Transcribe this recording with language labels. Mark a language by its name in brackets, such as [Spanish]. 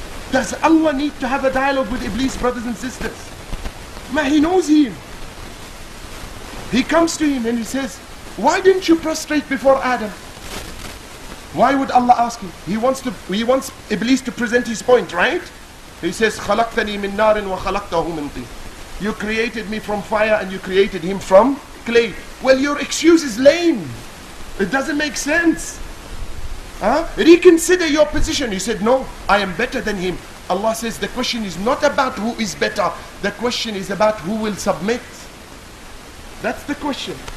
[English] Does Allah need to have a dialogue with Iblis, brothers and sisters? Man, he knows him. He comes to him and he says, why didn't you prostrate before Adam? Why would Allah ask him? He wants Iblis to present his point, right? He says, [Arabic] خَلَقْتَنِي مِن نَارٍ وَخَلَقْتَهُ مِن طِينٍ. [English] You created me from fire and you created him from clay. Well, your excuse is lame. It doesn't make sense. Reconsider your position. You said, no, I am better than him. Allah says, the question is not about who is better. The question is about who will submit. That's the question.